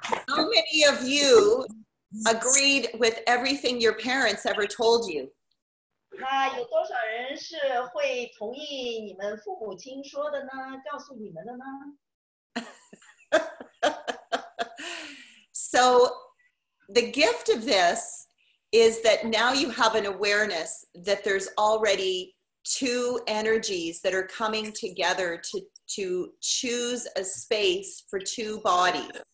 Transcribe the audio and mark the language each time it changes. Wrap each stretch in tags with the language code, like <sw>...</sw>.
<en>How many of you agreed with everything your parents ever told you?</en> <zh>那有多少人是会同意你们父母亲说的呢？告诉你们的呢？</zh> <en>So the gift of this is that now you have an awareness that there's already two energies that are coming together to choose a space for two bodies.</en>